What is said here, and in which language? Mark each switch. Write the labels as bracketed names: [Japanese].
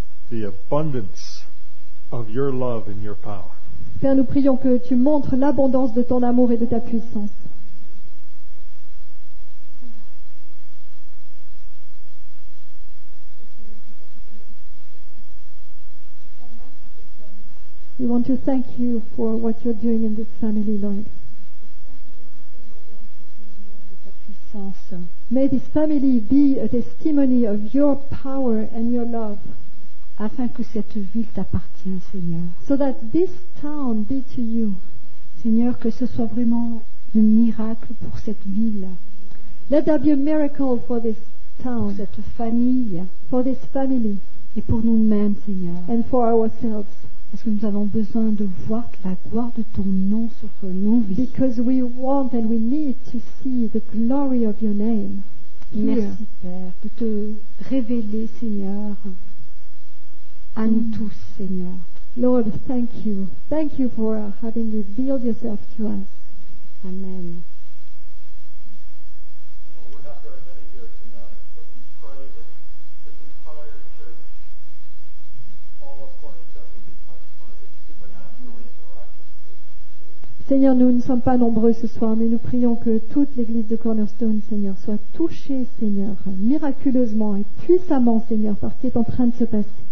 [English] The abundance of your love and your power. [French] Père, nous prions que tu montres l'abondance de ton amour et de ta puissance. [English] We want to thank you for what you're doing in this family, Lord. May this family be a testimony of your power and your love. [French] Afin que cette ville t'appartienne, Seigneur. [English] So that this town be to you. [French] Seigneur, que ce soit vraiment un miracle pour cette ville. [English] Let there be a miracle for this town. [French] Pour cette famille. [English] For this family. [French] Et pour nous-mêmes, Seigneur. [English] And for ourselves. [French] Parce que nous avons besoin de voir la gloire de ton nom sur nos vies. [English] Because we want and we need to see the glory of your name. [French] Merci, Père, de te révéler, Seigneur. À nous tous, Seigneur. [English] Lord, thank you. Thank you for having revealed yourself to us. Amen. Well, we're not very many here tonight, but we pray that this entire church, all of Cornish, will be touched by this supernatural interaction. [French] Seigneur, nous ne sommes pas nombreux ce soir, mais nous prions que toute l'église de Cornerstone, Seigneur, soit touchée, Seigneur, miraculeusement et puissamment, Seigneur, par ce qui est en train de se passer.